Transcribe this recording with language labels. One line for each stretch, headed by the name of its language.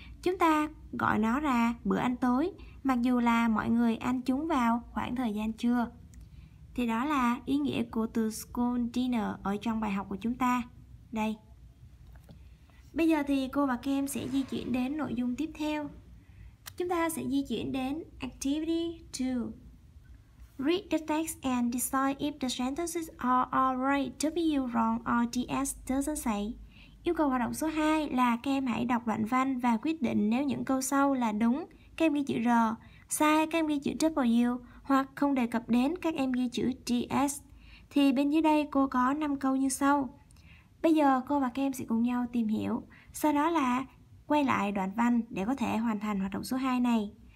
Vietnamese: Chúng ta gọi nó là bữa ăn tối, mặc dù là mọi người ăn chúng vào khoảng thời gian trưa. Thì đó là ý nghĩa của từ school dinner ở trong bài học của chúng ta. Đây. Bây giờ thì cô và Kem sẽ di chuyển đến nội dung tiếp theo. Chúng ta sẽ di chuyển đến activity 2.
English: Read the text and decide if the sentences are alright, W wrong or DS doesn't say.
Vietnamese: Yêu cầu hoạt động số 2 là các em hãy đọc đoạn văn và quyết định nếu những câu sau là đúng, các em ghi chữ R, sai các em ghi chữ W hoặc không đề cập đến các em ghi chữ DS. Thì bên dưới đây cô có 5 câu như sau. Bây giờ cô và các em sẽ cùng nhau tìm hiểu, sau đó là quay lại đoạn văn để có thể hoàn thành hoạt động số 2 này.